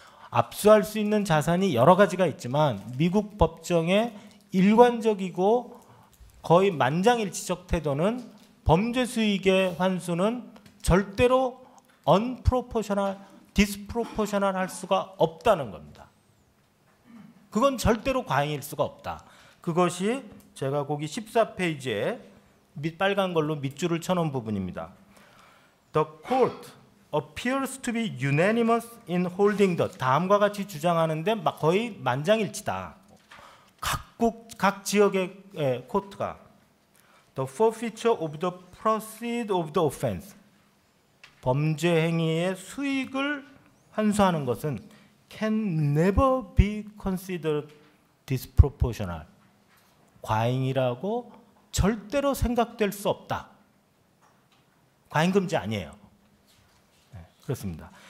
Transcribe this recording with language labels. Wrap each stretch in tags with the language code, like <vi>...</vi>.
<ko>압수할 수 있는 자산이 여러 가지가 있지만 미국 법정의 일관적이고 거의 만장일치적 태도는 범죄 수익의 환수는 절대로 언프로포셔널, 디스프로포셔널 할 수가 없다는 겁니다. 그건 절대로 과잉일 수가 없다. 그것이 제가 거기 14페이지에 빨간 걸로 밑줄을 쳐놓은 부분입니다.</ko> <en>The court appears to be unanimous in holding the</en> <ko>다음과 같이 주장하는데 거의 만장일치다. 각국 각 지역의 코트가</ko> <en>The forfeiture of the proceeds of the offense</en> <ko>범죄 행위의 수익을 환수하는 것은</ko> <en>can never be considered disproportional</en> <ko>과잉이라고 절대로 생각될 수 없다. 과잉 금지 아니에요. 네, 그렇습니다.</ko>